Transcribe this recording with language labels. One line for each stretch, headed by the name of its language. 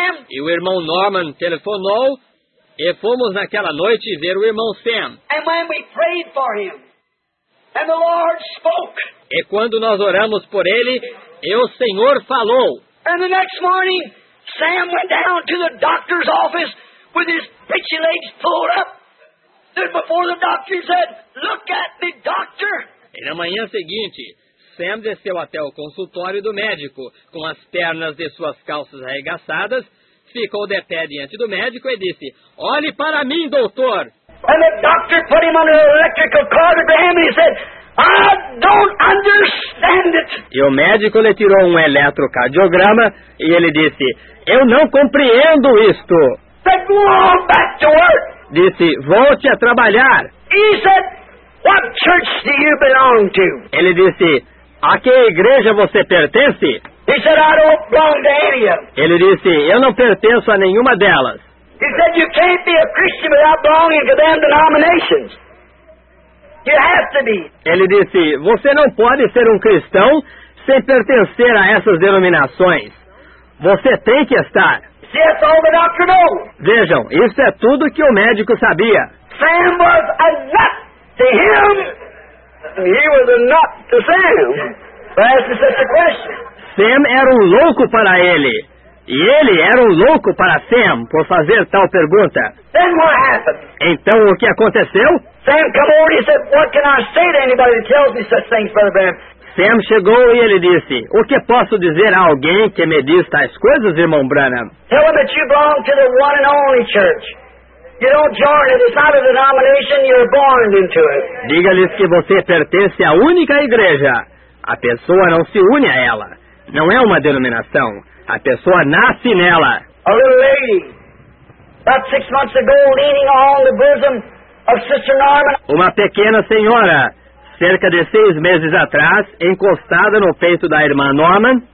Portuguese: E o irmão Norman telefonou e fomos naquela noite ver o irmão Sam.
English: And when we prayed for him, and the Lord spoke.
Portuguese: E quando nós oramos por ele, e o Senhor falou.
English: And the next morning, Sam went down to the doctor's office with his pitchy legs pulled up. And before the doctor said, look at me, doctor.
Portuguese: E na manhã seguinte, Sam desceu até o consultório do médico, com as pernas de suas calças arregaçadas, ficou de pé diante do médico e disse, olhe para mim, doutor.
English: And the doctor put him on an electrical cardiogram and he said, I don't understand it.
Portuguese: E o médico lhe tirou um eletrocardiograma e ele disse, eu não compreendo isto.
English: Said, go on back to work.
Portuguese: Disse, volte a trabalhar.
English: He said, what church do you belong to?
Portuguese: Ele disse, a que igreja você pertence?
English: He said, I don't belong to any of them.
Portuguese: Ele disse, eu não pertenço a nenhuma delas.
English: He said, you can't be a Christian without belonging to them denominations. You have to be.
Portuguese: Ele disse, você não pode ser um cristão sem pertencer a essas denominações. Você tem que estar.
English: See, that's all the doctor knows.
Portuguese: Vejam, isso é tudo que o médico sabia.
English: Sam was a nut to him. He was a nut to Sam. For asking such a question.
Portuguese: Sam era um louco para ele. E ele era um louco para Sam por fazer tal pergunta.
English: Then what happened?
Portuguese: Então o que aconteceu?
English: Sam came over and said, what can I say to anybody that tells me such things, Brother Bam?
Portuguese: Sam chegou e ele disse, o que posso dizer a alguém que me diz tais coisas, irmão Branham?
English: Tell them that you belong to the one and only church. You don't join it. It's not a denomination. You're born into it.
Portuguese: Diga-lhes que você pertence à única igreja. A pessoa não se une a ela. Não é uma denominação. A pessoa nasce nela.
English: A little lady About 6 months ago, leaning on the bosom of Sister Norma.
Portuguese: Uma pequena senhora, cerca de 6 meses atrás, encostada no peito da irmã Norman.